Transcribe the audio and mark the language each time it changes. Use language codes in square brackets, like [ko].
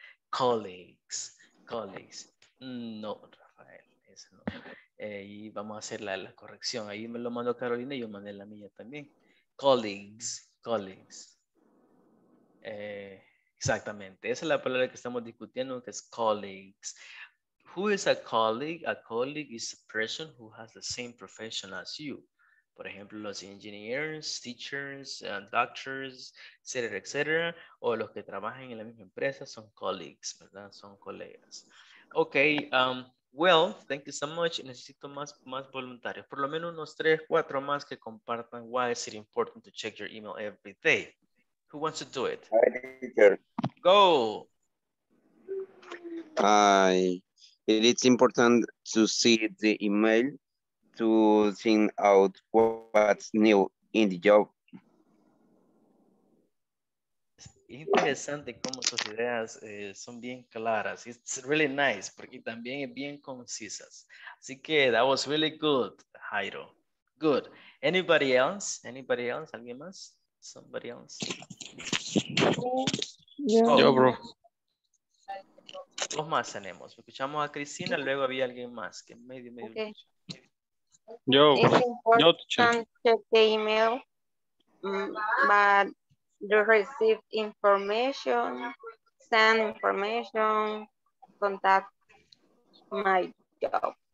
[en] Colleagues. [es] No, Rafael, eso no. Y vamos a hacer la corrección. Ahí me lo mandó Carolina y yo mandé la mía también. Colleagues. Exactamente. Esa es la palabra que estamos discutiendo, que es colleagues. [en] Who is a colleague? A colleague is a person who has the same profession as you. [es] Por ejemplo, los [en] engineers, teachers, doctors, [es] etc., etc., o los que trabajan en la misma empresa son colleagues, ¿verdad? Son colegas. [en] Ok, well, thank you so much. [es] Necesito más voluntarios. Por lo menos unos 3-4 más que compartan [en] why is it important to check your email every day. Who wants to do it? Hi, teacher. Go! Hi. It's important to see the email to find out what's new in the job. [es] Es interesante cómo sus ideas son bien claras. [en] It's really nice, [es] porque también es bien concisas. Así que [en] that was really good, Jairo. Good. Anybody else? Anybody else? [es] ¿Alguien más? [en] Somebody else? Yeah. Oh. Yo, bro. [es] Dos más tenemos. Escuchamos a Cristina, luego había alguien más que medio. [en] Okay. [es] Yo, [en] it's important to check the email, but you receive information, send information, contact my job.